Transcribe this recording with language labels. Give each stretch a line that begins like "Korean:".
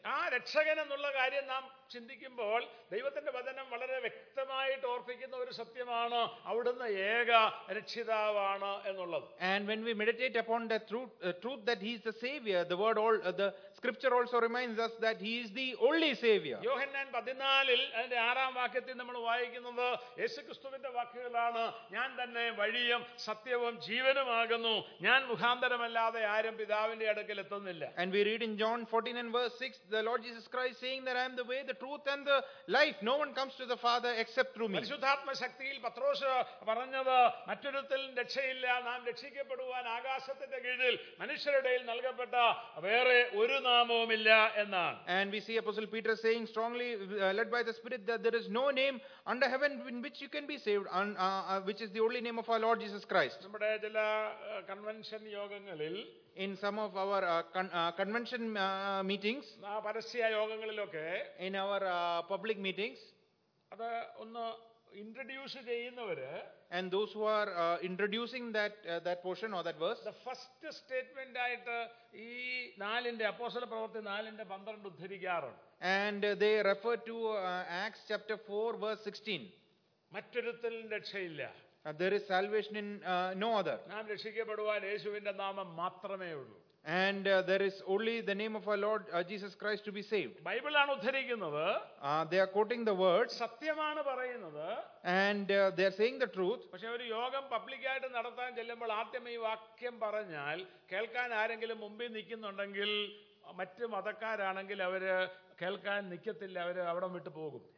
Malayalam: ആ രക്ഷകൻ എന്നുള്ള കാര്യം നാം ചിന്തിക്കുമ്പോൾ ദൈവത്തിന്റെ വചനം വളരെ വ്യക്തമായിട്ട് ഓർപ്പിക്കുന്ന ഒരു സത്യമാണ് അവിടുന്ന് ഏക രക്ഷിതാവാണ് എന്നുള്ളത്.
English: And when we meditate upon the truth that he is the savior, the word all the scripture also reminds us that he is the only savior.
Malayalam: യോഹന്നാൻ 14-ൽ അതിന്റെ 6-ാം വാക്യത്തിൽ നമ്മൾ വായിക്കുന്നത് യേശുക്രിസ്തുവിന്റെ വാക്കുകളാണ്, ഞാൻ തന്നെ വഴിയും സത്യവും ജീവനുമാകുന്നു, ഞാൻ മുഖാന്തരമല്ലാതെ ആരും പിതാവിന്റെ അടുക്കൽ എത്തുന്നില്ല.
English: And we read in John 14:6 the Lord Jesus Christ saying that I am the way, the truth and the life, no one comes to the father except through me.
Malayalam: പരിശുദ്ധാത്മ ശക്തിയിൽ പത്രോസ് പറഞ്ഞത് മറ്റൊരുത്തിൽ രക്ഷയില്ല, നാം രക്ഷിക്കപ്പെടുവാൻ ആകാശത്തിന്റെ കീഴിൽ മനുഷ്യരുടെയിൽ നൽകപ്പെട്ട വേറെ ഒരു നാമവും ഇല്ല എന്നാണ്.
English: And we see Apostle Peter saying strongly led by the spirit that there is no name under heaven in which you can be saved which is the only name of our Lord Jesus Christ.
Malayalam: നമ്മുടെ ചില convention യോഗങ്ങളിൽ,
English: in some of our convention meetings,
Malayalam: പരസ്യ യോഗങ്ങളിലൊക്കെ,
English: in our public meetings,
Malayalam: അത് ഒന്ന് introduce ചെയ്യുന്നവര്,
English: and those who are introducing that portion or that verse, the first statement
Malayalam: ആയിട്ട് ഈ നാലിന്റെ അപ്പോസ്തല പ്രവൃത്തി 4:12 ഉദ്ധരിക്കാറുണ്ട്.
English: And they refer to Acts chapter 4:16.
Malayalam: മറ്റൊരുത്തിലും രക്ഷയില്ല.
English: There is salvation in no other.
Malayalam: നാം രക്ഷിക്കപ്പെടുവാൻ യേശുവിന്റെ നാമം മാത്രമേ ഉള്ളൂ.
English: And there is only the name of our Lord Jesus Christ to be saved.
Malayalam: Bible aanu uddharikkunnathu.
English: They are quoting the word.
Malayalam: Satyamaanu parayunnathu.
English: And they are saying the truth.
Malayalam: പക്ഷേ ഒരു യോഗം public ആയിട്ട് നടത്താൻ ചെല്ലുമ്പോൾ ആദ്യം ഈ വാക്യം പറഞ്ഞാൽ കേൾക്കാൻ ആരെങ്കിലും മുമ്പിൽ നിൽക്കുന്നുണ്ടെങ്കിൽ മറ്റ് മതക്കാരാണെങ്കിൽ അവര് കേൾക്കാൻ നിൽക്കത്തില്ല, അവര് അവിടെ വിട്ടു പോകും.